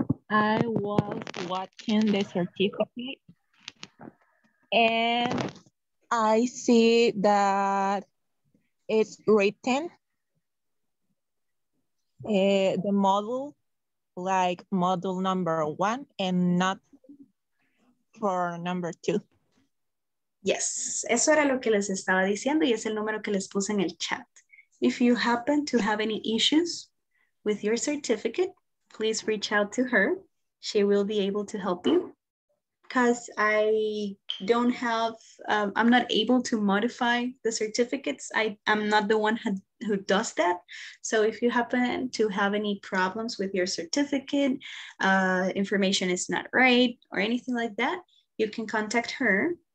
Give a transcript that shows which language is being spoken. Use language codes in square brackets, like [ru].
[en] I was watching the certificate and I see that it's written the model, like model number one and not for number two. [es] Yes, eso era lo que les estaba diciendo y es el número que les puse en el chat. [en] If you happen to have any issues with your certificate, please reach out to her. She will be able to help you because I don't have, I'm not able to modify the certificates. I'm not the one who does that. So if you happen to have any problems with your certificate, information is not right or anything like that, you can contact her.